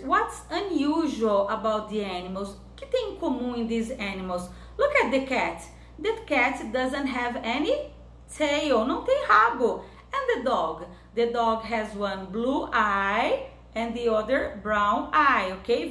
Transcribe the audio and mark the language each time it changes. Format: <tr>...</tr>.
<en>What's unusual about the animals?</en> <pt>O que tem em comum em</pt> <en>these animals? Look at the cat. That cat doesn't have any tail.</en> <pt>Não tem rabo.</pt> <en>And the dog? The dog has one blue eye and the other brown eye, ok?</en>